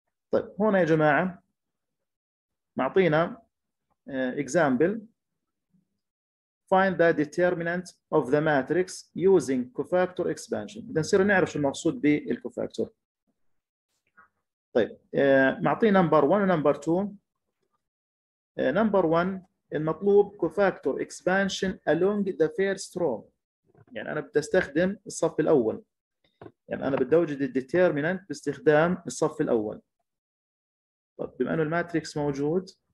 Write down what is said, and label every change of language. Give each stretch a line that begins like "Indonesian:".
Arabic: طيب هنا يا جماعة معطينا
English: example find the determinant of the matrix using cofactor expansion.
Arabic: إذا نصير نعرف شو المقصود بالكوفاكتور. طيب معطينا
English: number one و number two. number one
Arabic: المطلوب
English: cofactor expansion along the first row.
Arabic: يعني أنا بدي أستخدم الصف الأول، يعني أنا بدي أوجد الديتيرمينانت باستخدام الصف الأول. طب بما انه الماتريكس موجود